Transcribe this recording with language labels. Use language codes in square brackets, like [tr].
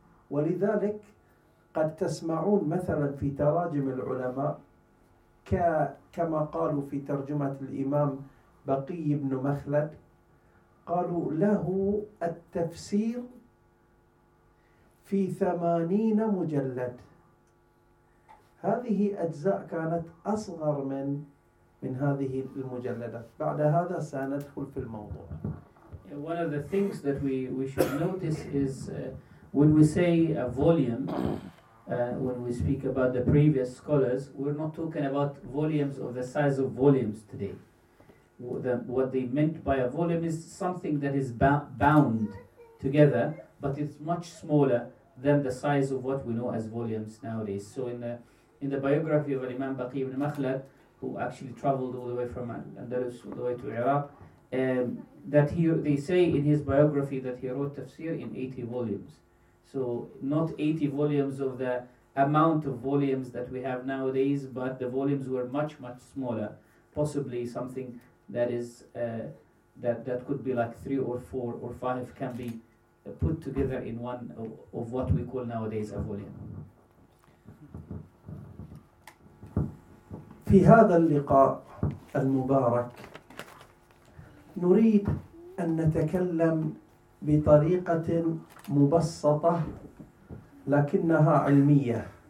[ar] ولذلك قد تسمعون مثلا في تراجم العلماء كما قالوا في ترجمة الإمام بقي بن مخلد، قالوا له التفسير في 80 مجلد. هذه أجزاء كانت أصغر من هذه المجلدة. بعد هذا سندخل في الموضوع. [en] One of the things that we should notice is when we say a volume, when we speak about the previous scholars, we're not talking about volumes of the size of volumes today. What they meant by a volume is something that is bound together, but it's much smaller than the size of what we know as volumes nowadays. So in the biography of Imam Baqi ibn Makhlad, who actually traveled all the way from Andalus all the way to Iraq, they say in his biography that he wrote tafsir in 80 volumes. So not 80 volumes of the amount of volumes that we have nowadays, but the volumes were much, much smaller. Possibly something that is that could be like 3 or 4 or 5 can be put together in one of what we call nowadays a volume. [ar] في هذا اللقاء المبارك نريد أن نتكلم بطريقة مبسطة لكنها علمية.